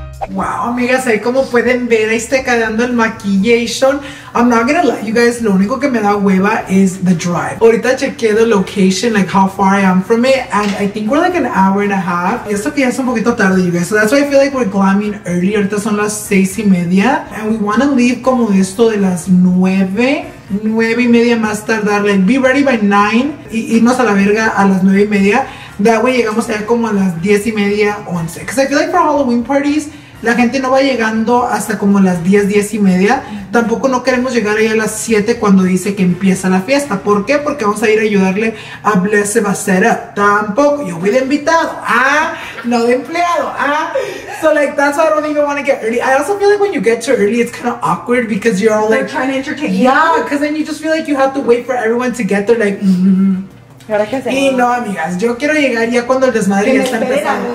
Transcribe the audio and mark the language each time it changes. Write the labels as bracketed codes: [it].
[es] Wow, amigas, ahí como pueden ver, ahí está quedando el maquillation. [en] I'm not gonna lie, you guys, [es] lo único que me da hueva [en] is the drive. [es] Ahorita chequeé [en] the location, like how far I am from it, and I think we're like an hour and a half. [es] Y esto que ya es un poquito tarde, [en] you guys, so that's why I feel like we're glamming early. [es] Ahorita son las 6:30, [en] and we wanna leave [es] como esto de las 9. 9:30 más tardar, [en] like be ready by 9, [es] y irnos a la verga a las 9:30. [en] That way [es] llegamos allá como a las 10:30, 11. [en] Because I feel like for Halloween parties, [es] la gente no va llegando hasta como las 10:30. Tampoco no queremos llegar ahí a las 7 cuando dice que empieza la fiesta. ¿Por qué? Porque vamos a ir a ayudarle a Blesiv a [en] set up. [es] Tampoco. Yo voy de invitado. Ah, no de empleado. Ah. [en] So like, that's why I don't even want to get early. I also feel like when you get too early, it's kind of awkward because you're all like... They're trying to entertain you. Yeah, because then you just feel like you have to wait for everyone to get there like... Mm-hmm. [es] Que y no, amigas, yo quiero llegar ya cuando el desmadre ya está empezando.